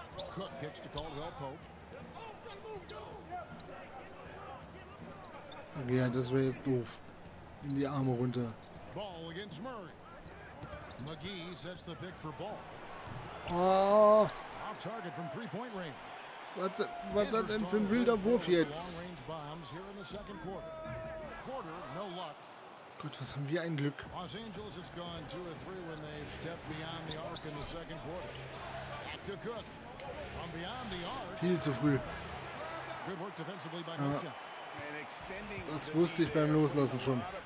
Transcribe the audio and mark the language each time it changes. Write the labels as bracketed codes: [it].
[en] Cook kicks to Caldwell Pope. [de] Ja, das wäre jetzt doof. In die Arme runter. [en] Ball against Murray. McGee sets the pick for Ball. Oh. Off target from 3-point range. [de] Was ist das denn für ein wilder Wurf jetzt? Gott, was haben wir ein Glück. [en] Los Angeles has gone 2 or 3 when they've stepped beyond the arc in the second quarter. At the Cook. From beyond the arc. [de] Viel zu früh. [en] Good work defensively by Hischa. [de] Das wusste ich beim Loslassen schon.